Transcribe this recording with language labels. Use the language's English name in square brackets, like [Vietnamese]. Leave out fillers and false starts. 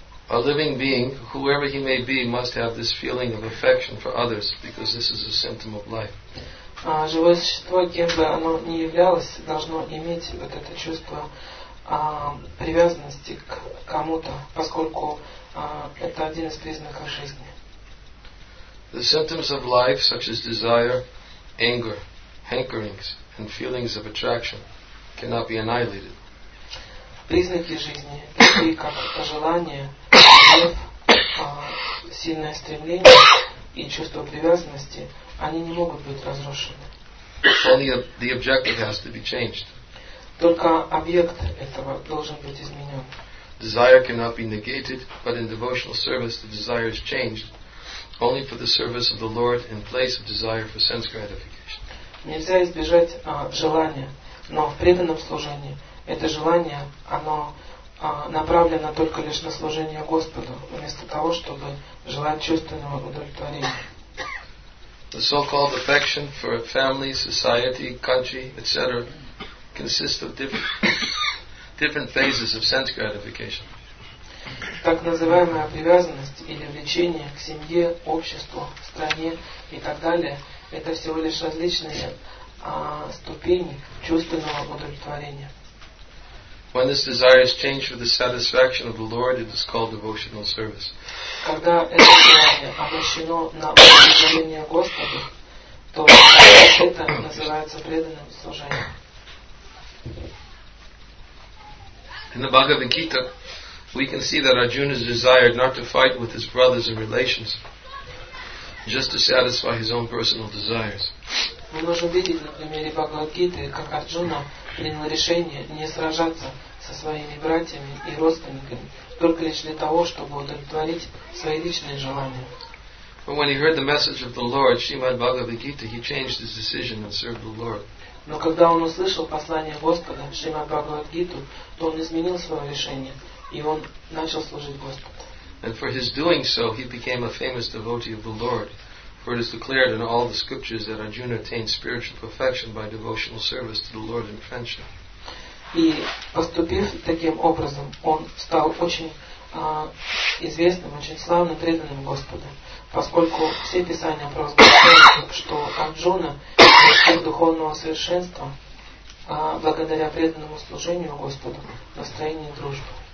[English] A living being, whoever he may be, must have this feeling of affection for others, because this is a symptom of life. [Russian] Живое существо, кем бы оно ни являлось, должно иметь вот это чувство привязанности к кому-то, поскольку это один из признаков жизни. [English] The symptoms of life, such as desire, anger, hankerings, and feelings of attraction, cannot be annihilated. [Russian] Признаки жизни, такие как желание, гнев, сильное стремление и чувство привязанности, они не могут быть разрушены. [English] Only the objective has to be changed. [Russian] Только объект этого должен быть изменен. [English] Desire cannot be negated, but in devotional service the desire is changed only for the service of the Lord in place of desire for sense gratification. [Russian] Нельзя избежать желания. Но в преданном служении это желание, оно направлено только лишь на служение Господу, вместо того, чтобы желать чувственного удовлетворения. [English] The so-called affection for family, society, country, etc. consists of different phases of sense gratification. [Russian] Так называемая привязанность или влечение к семье, обществу, стране и так далее, это всего лишь различные ступени чувственного удовлетворения. [English] When this desire is changed for the satisfaction of the Lord, it is called devotional service. [Russian] Когда это желание обращено на удовлетворение Господу, то это называется преданным служением. [English] In the Bhagavad Gita, we can see that Arjuna's desire not to fight with his brothers and relations, just to satisfy his own personal desires. [Russian] Мы можем видеть на примере Бхагавад-гиты, как Арджуна принял решение не сражаться со своими братьями и родственниками, только лишь для того, чтобы удовлетворить свои личные желания. [English] But when he heard the message of the Lord, Srimad Bhagavad-gita, he changed his decision and served the Lord. [Russian] Но когда он услышал послание Господа, Шримад Бхагавад-гиту, то он изменил свое решение, и он начал служить Господу. [English] And for his doing so, he became a famous devotee of the Lord. For it is declared in all the scriptures that Arjuna attained spiritual perfection by devotional service to the Lord in friendship. [Russian] И поступив таким образом, он стал очень известным, очень славным преданным Господу, поскольку все писания провозглашают, что Арджуна достиг духовного совершенства благодаря преданному служению Господу, настроению дружбы.